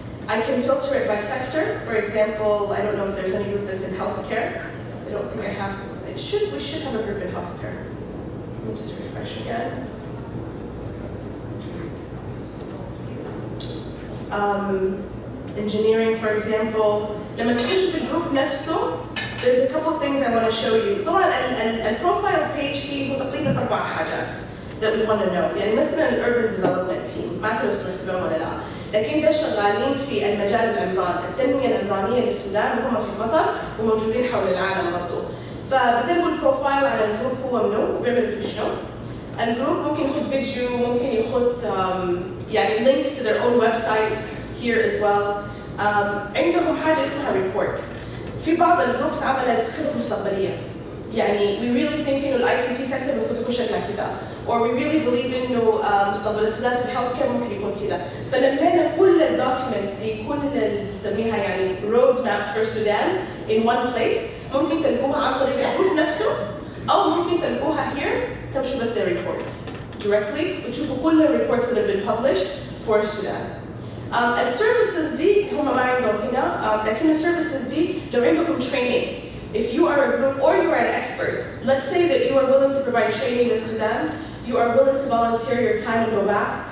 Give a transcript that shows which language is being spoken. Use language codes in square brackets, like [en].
[en] I can filter it by sector for example I don't know if there's any group that's in healthcare I don't think I have it should we should have a group in healthcare let me just refresh again engineering, for example. [ar] لما تخش في الجروب نفسه, [en] there's a couple of things I want to show you. [ar] طبعا البروفايل بيج فيه تقريبا اربع حاجات [en] that we want to know. [ar] يعني مثلا الاربن ديفلوبمنت تيم, ما اعرف اسمه ولا لا. لكن ده شغالين في المجال العمراني, التنميه العمرانيه للسودان وهم في قطر وموجودين حول العالم برضه. فبتلقوا البروفايل على الجروب هو منو وبيعملوا فيه شنو. الجروب ممكن يحط فيديو, ممكن يحط يعني [en] links to their own website here as well. [ar] عندهم حاجة اسمها reports. في بعض الجروبس عملت خطط مستقبلية. يعني [en] we really think [ar] إنه الـ ICT sector المفروض يكون شكلها كده. [en] Or we really believe [ar] إنه مستقبل السودان في الـ healthcare ممكن يكون كده. فلمينا كل الـ documents دي, كل اللي بنسميها يعني [en] road maps for Sudan in one place, [ar] ممكن تلقوها عن طريق الجروب نفسه أو ممكن تلقوها here تمشوا بس للـ reports. [en] Directly, which is all the reports that have been published for Sudan. As services D, who am I talking about? Like in the services D, they're going to come training. If you are a group or you are an expert, let's say that you are willing to provide training in Sudan, you are willing to volunteer your time and go back.